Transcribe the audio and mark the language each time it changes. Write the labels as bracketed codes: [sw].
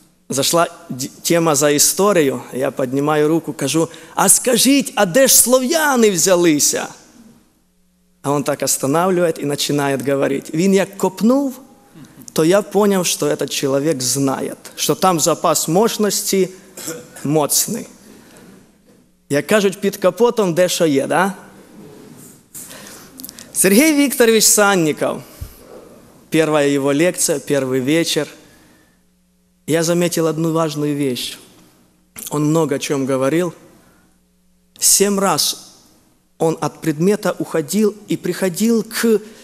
[ru] Зашла тема за историю, я поднимаю руку, кажу: «А скажите, [uk] а де ж слов'яни взялися?» [ru] А он так останавливает и начинает говорить. [uk] Він як копнув, то [ru] я понял, что этот человек знает, что там запас мощности мощный. [uk] Як кажуть, під капотом де що є, да? [ru] Сергей Викторович Санников. Первая его лекция, первый вечер. Я заметил одну важную вещь. Он много о чем говорил. 7 раз он от предмета уходил и приходил к...